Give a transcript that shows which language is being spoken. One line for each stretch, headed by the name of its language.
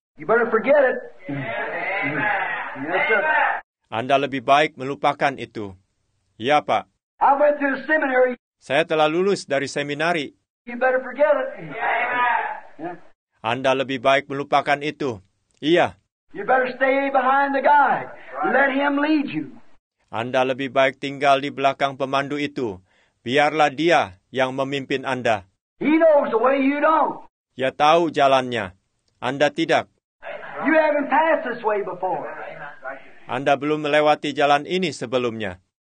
English: You better forget it. Amen. Yes, sir.
Indonesian: Anda lebih baik melupakan itu. Ya, Pak.
English: I went to a seminary.
Indonesian: Saya telah lulus dari seminari.
English: You better forget it. Yeah.
Indonesian: Anda lebih baik melupakan itu. Iya.
English: You better stay behind the guy. Let him lead you.
Indonesian: Anda lebih baik tinggal di belakang pemandu itu. Biarlah dia yang memimpin Anda.
English: He knows the way you don't.
Indonesian: Dia tahu jalannya. Anda tidak.
English: You haven't passed this way before.
Indonesian: Anda belum melewati jalan ini sebelumnya.